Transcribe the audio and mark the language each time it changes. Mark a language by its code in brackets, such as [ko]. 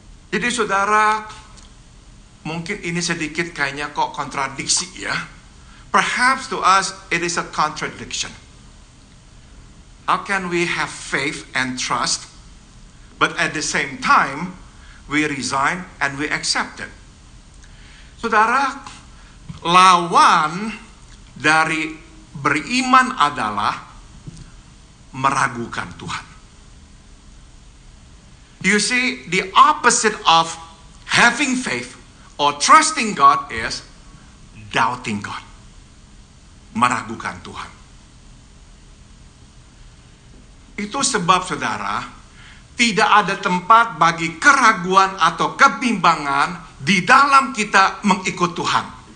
[id] Jadi saudara, mungkin ini sedikit kayaknya kok kontradiksi ya. [en] Perhaps to us it is a contradiction. How can we have faith and trust, but at the same time we resign and we accept it? [id] Saudara, lawan dari beriman adalah meragukan Tuhan. [en] You see, the opposite of having faith or trusting God is doubting God. [id] Meragukan Tuhan. Itu sebab, saudara, tidak ada tempat bagi keraguan atau kebimbangan di dalam kita mengikut Tuhan.